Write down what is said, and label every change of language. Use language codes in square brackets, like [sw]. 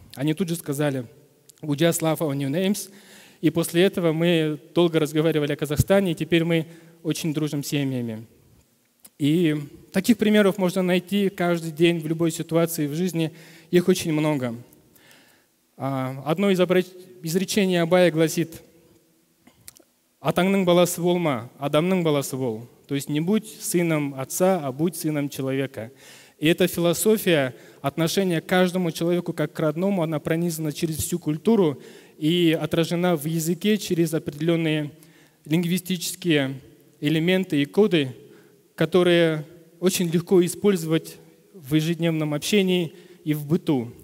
[ru] Они тут же сказали: [en] «We just love our new names». [ru] И после этого мы долго разговаривали о Казахстане, и теперь мы очень дружим семьями. И таких примеров можно найти каждый день в любой ситуации в жизни. Их очень много. Одно из изречений Абая гласит: [kk] Атаңның баласы болма, адамның баласы бол. [ru] То есть не будь сыном отца, а будь сыном человека. И эта философия отношения к каждому человеку как к родному, она пронизана через всю культуру и отражена в языке через определенные лингвистические элементы и коды, которые очень легко использовать в ежедневном общении и в быту.